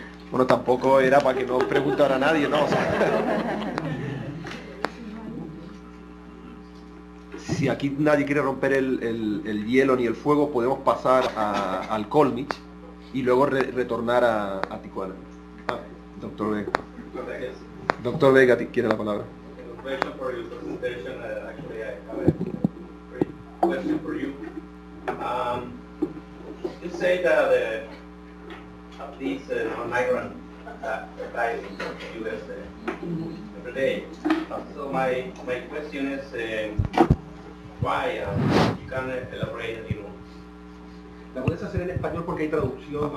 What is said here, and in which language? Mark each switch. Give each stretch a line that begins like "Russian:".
Spanish: Bueno, tampoco era para que no preguntara a nadie, ¿no? O sea, si aquí nadie quiere romper el hielo ni el fuego, podemos pasar al Colmich y luego retornar a Tijuana. Ah, doctor B. Doctor Vega quiere la palabra.
English: Okay, a question for your presentation. Actually, I have a great question for you. You say that at least migrant die in the U.S. Every day. So my question is why? You can elaborate a little.
Spanish: La puedes hacer en español porque hay traducción.